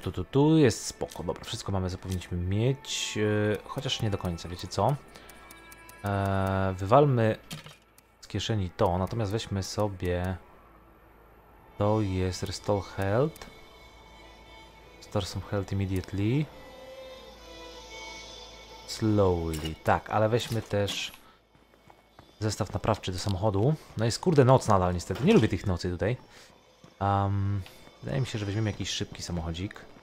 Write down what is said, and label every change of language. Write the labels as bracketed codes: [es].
[pl] Tu jest spoko, dobra, wszystko mamy, co powinniśmy mieć, chociaż nie do końca, wiecie co? Wywalmy z kieszeni to, natomiast weźmy sobie, to jest Restore Health. [en] Restore some health immediately. [pl] Slowly, tak, ale weźmy też zestaw naprawczy do samochodu. No jest, kurde, noc nadal niestety, nie lubię tych nocy tutaj. Wydaje mi się, że weźmiemy jakiś szybki samochodzik.